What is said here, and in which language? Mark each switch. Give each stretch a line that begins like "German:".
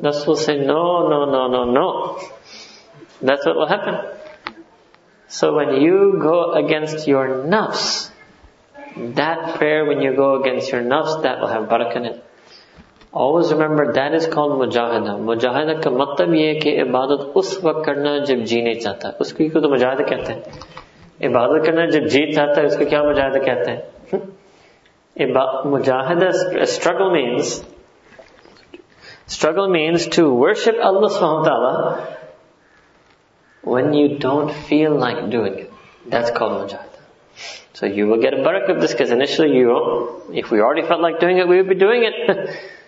English: Nafs will say, no, no, no, no, no. That's what will happen. So when you go against your nafs, that prayer when you go against your nafs, that will have barakah in it. Always remember, that is called mujahida.
Urdu: مجاہدہ کا مطلب یہ کہ عبادت اس وقت کرنا جب جی نہیں چاہتا۔ اسکی کو تو مجاہدہ کہتے ہیں۔ عبادت کرنا جب جی چاہتا، اسکو کیا مجاہدہ کہتے ہیں؟
English: Mujahida, struggle means to worship Allah subhanahu wa ta'ala when you don't feel like doing it. That's called mujahida. So you will get a barakah of this, because initially you won't. If we already felt like doing it, we would be doing it.